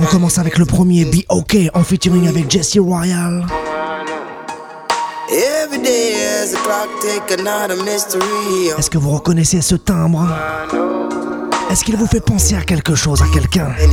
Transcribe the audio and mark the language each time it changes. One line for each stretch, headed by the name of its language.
French: On commence avec le premier, Be Okay, en featuring avec Jesse Royal.
English: Every day as the clock tick, another mystery.
French: Est-ce que vous reconnaissez ce timbre? Est-ce qu'il vous fait penser à quelque chose, à quelqu'un?